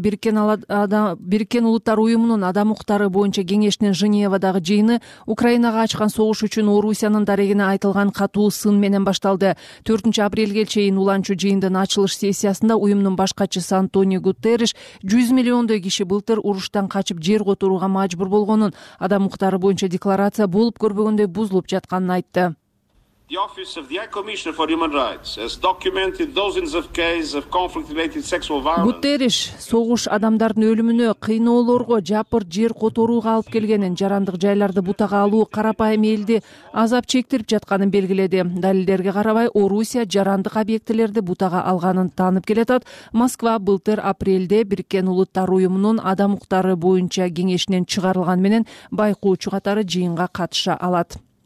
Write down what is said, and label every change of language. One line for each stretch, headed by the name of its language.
Kyrgyz: Бириккен улуттар уюмунун адам укуктары боюнча кеңешинин Женевадагы жыйыны Украинага ачкан согуш үчүн Орусиянын дарегине айтылган катуу сын менен башталды. 4-апрелге чейин уланчу жыйындын ачылыш сессиясында уюмдун баш катчысы Антони Гутерреш 100 миллиондой киши былтыр уруштан качып жер которууга мажбур болгонун, адам укуктары боюнча декларация болуп көрбөгөндөй бузулуп жатканын айтты.
English: The Office of the High Commissioner for Human Rights has documented dozens of cases of conflict-related sexual violence.
Kyrgyz: Гутерреш согуш адамдардын өлүмүнө, кыйноолорго, жапыр жер которууга алып келгенин, жарандык жайларды бутага алуу карапайым элди азап чектирип жатканын белгиледи. Далилдерге карабай, Орусия жарандык объектилерди бутага алганын таанып келатат. Москва былтыр апрелде Бириккен Улуттар Уюмунун адам укуктары боюнча кеңешинен чыгарылган менен байкоочу катары жыйынга катыша алат.